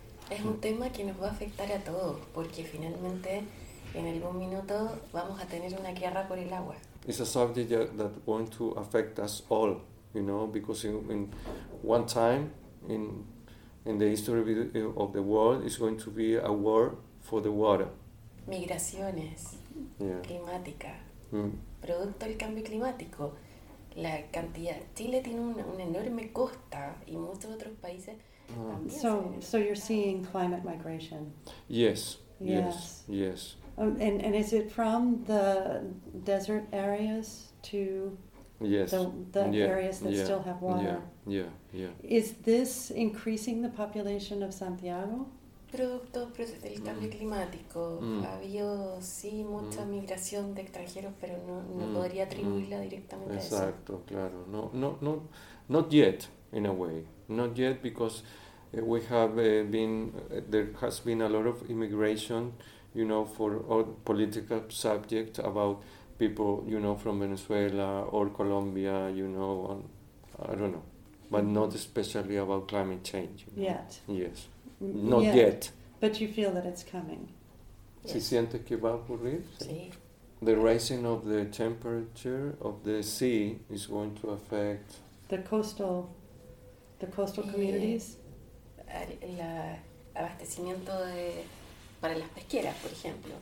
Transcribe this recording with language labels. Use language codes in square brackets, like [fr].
[es] Es un tema que nos va a afectar a todos, porque finalmente en algún minuto vamos a tener una guerra por el agua. [en] It's a subject that going to affect us all, you know, because in one time in the history of the world is going to be a war for the water. [es] Migraciones, yeah. Climática, producto del cambio climático, la cantidad. Chile tiene una enorme costa y muchos otros países. [en] So you're seeing climate migration. Yes. And is it from the desert areas to the areas that still have water? Yeah. Is this increasing the population of Santiago? [es] Producto del cambio climático. Ha habido, sí, mucha migración de extranjeros, pero no podría atribuirla directamente a eso. Exacto, claro. [en] Not yet, because we have there has been a lot of immigration, you know, for all political subjects about people, you know, from Venezuela or Colombia, you know, and I don't know, but not especially about climate change. You know? Yet. Yes. Not yet. But you feel that it's coming. [es] ¿Se siente que va a ocurrir? Sí. [en] The rising of the temperature of the sea is going to affect the coastal communities. [es] El abastecimiento de para las pesqueras, por ejemplo.